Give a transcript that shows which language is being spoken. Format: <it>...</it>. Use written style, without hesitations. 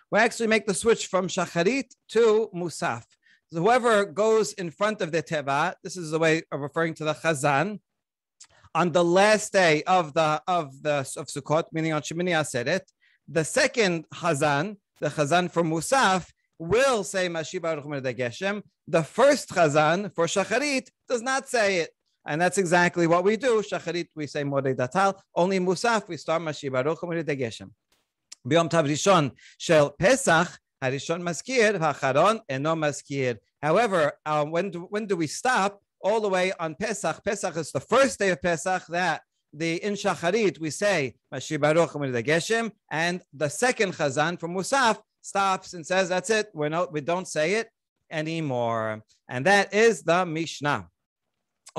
<en>We actually make the switch from Shacharit to Musaf. So whoever goes in front of the Teva, this is the way of referring to the Chazan, on the last day of Sukkot, meaning on Shemini Aseret, the second Chazan, the Chazan for Musaf, will say Mashiv HaRuach Morid HaGeshem. The first Chazan for Shacharit does not say it. And that's exactly what we do. Shacharit, we say Morid Atal. Only Musaf, we start Mashiv HaRuach Morid HaGeshem.</en> <he>ביום טוב ראשון של פסח, הראשון מזכיר, האחרון אינו מזכיר.</he> <en>However, when do we stop all the way on Pesach? Pesach is the first day of Pesach that the in Shacharit we say Mashi Baruch Amir Degeshem, and the second Chazan from Musaf stops and says, "That's it. We don't say it anymore." And that is the Mishnah.</en>